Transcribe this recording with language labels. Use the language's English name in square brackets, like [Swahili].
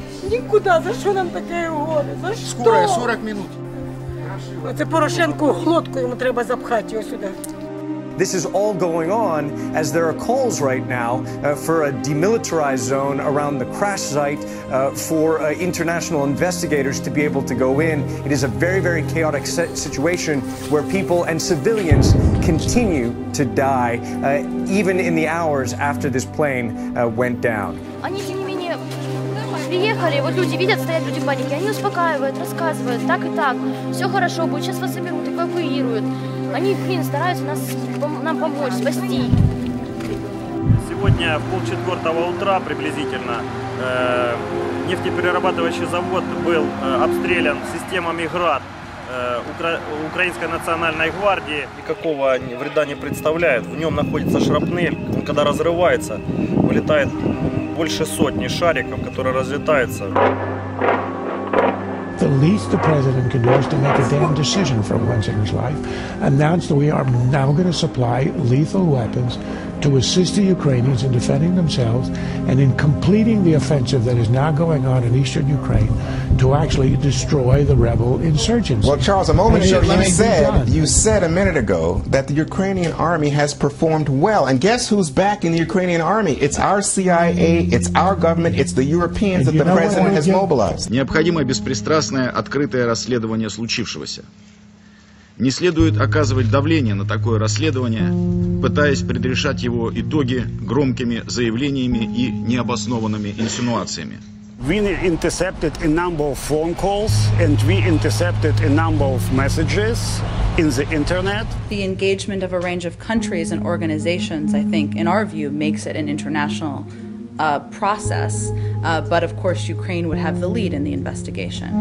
[Ukrainian] Нікуди, за що нам таке угоди? За що? [Russian] Скорая, 40 минут. [Ukrainian] Це Порошенку глотку, йому треба запхати його сюди. [English] This is all going on as there are calls right now for a demilitarized zone around the crash site for international investigators to be able to go in. It is a very, very chaotic situation where people and civilians continue to die even in the hours after this plane went down. [Russian] Они, тем не менее, приехали, вот люди видят, стоят люди в панике, они успокаивают, рассказывают, так и так, все хорошо будет, сейчас вас соберут, эвакуируют. Они, блин, стараются нам помочь, спасти. Сегодня в полчетвертого утра приблизительно нефтеперерабатывающий завод был обстрелян системами ГРАД Украинской национальной гвардии. Никакого вреда не представляет, в нем находится шрапнель, он когда разрывается, вылетает больше сотни шариков, которые разлетаются. [English] The least the president can do is to make a damn decision for once in his life, announce that we are now going to supply lethal weapons to assist the Ukrainians in defending themselves and in completing the offensive that is now going on in eastern Ukraine to actually destroy the rebel insurgents. Well, Charles, a moment ago you said a minute ago that the Ukrainian army has performed well. And guess who's back in the Ukrainian army? It's our CIA, it's our government, it's the Europeans and that the president has mobilized. [Russian] Необходимо беспристрастное открытое расследование случившегося. Не следует оказывать давление на такое расследование, пытаясь предрешать его итоги громкими заявлениями и необоснованными инсинуациями. [English] We intercepted a number of phone calls and we intercepted a number of messages in the internet. The engagement of a range of countries and organizations, I think, in our view, makes it an international process, but of course Ukraine would have the lead in the investigation.